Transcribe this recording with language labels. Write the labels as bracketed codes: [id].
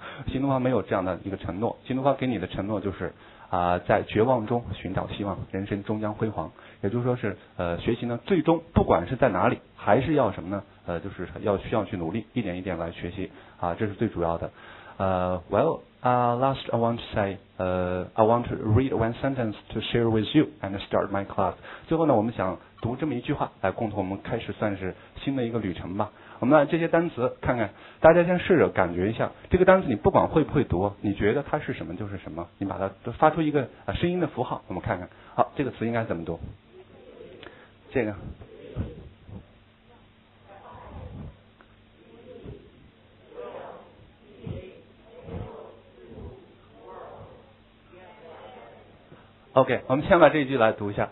[zh] 新东方没有这样的一个承诺，新东方给你的承诺就是在绝望中寻找希望，人生终将辉煌。也就是说是学习呢，最终不管是在哪里，还是要什么呢，就是要需要去努力，一点一点来学习啊，这是最主要的。 [en] Last I want to say, I want to read one sentence to share with you and start my class. [zh] 最后呢，我们想读这么一句话来共同我们开始算是新的一个旅程吧。我们来这些单词看看，大家先试着感觉一下这个单词，你不管会不会读，你觉得它是什么就是什么，你把它发出一个声音的符号，我们看看。好，这个词应该怎么读？这个OK， 我们先把这一句来读一下。